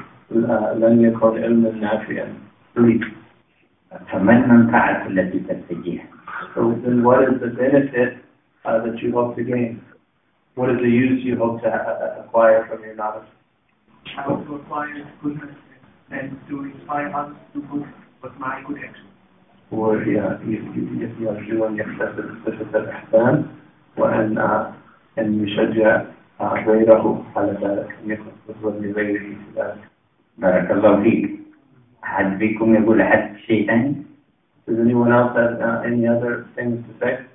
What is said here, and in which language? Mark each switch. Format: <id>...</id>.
<en>many people use this knowledge for me.</en> <ar>فمن المنفعة التي تستجيها؟</ar> <en>So then what is the benefit that you hope to gain? What is the use you hope to acquire from your knowledge? I hope to acquire goodness and to inspire others to good with my good actions.</en> <ar>وهي يرجو أن يكتسب صفة الإحسان وأن أن يشجع غيره على ذلك أن يكتسب لغيره ذلك. بارك الله فيك. أحد بكم يقول أحد شيء ثاني؟</ar> <en>Does anyone else have any other things to say?</en>